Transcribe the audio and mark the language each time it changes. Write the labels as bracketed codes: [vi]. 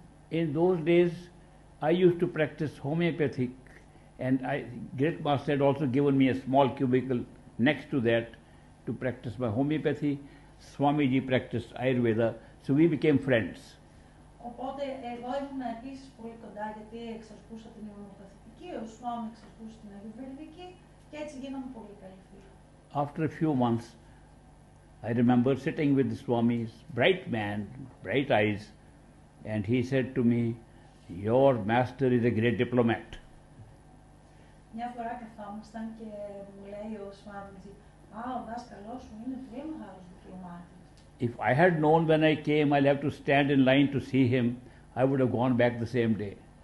[en] In those days I used to practice homeopathic and Great Master had also given me a small cubicle next to that to practice my homeopathy. Swamiji practiced Ayurveda, so we became friends. [el] Οπότε εγώ ήμουν επίσης πολύ κοντά γιατί εξασκούσα την ομοιοπαθητική, ο Σουάμι εξασκούσε την αγιοβερδική και έτσι γίναμε πολύ καλή φίλη. [en] After a few months, I remember sitting with the Swami's bright man, bright eyes, and he said to me, your master is a great diplomat. [el] Μια φορά καθόμασταν και μου λέει ο Σουάμι, α, ο δάσκαλός σου είναι πολύ μεγάλος διπλωμάτης. [en] If I had known when I came, I'll have to stand in line to see him, I would have gone back the same day.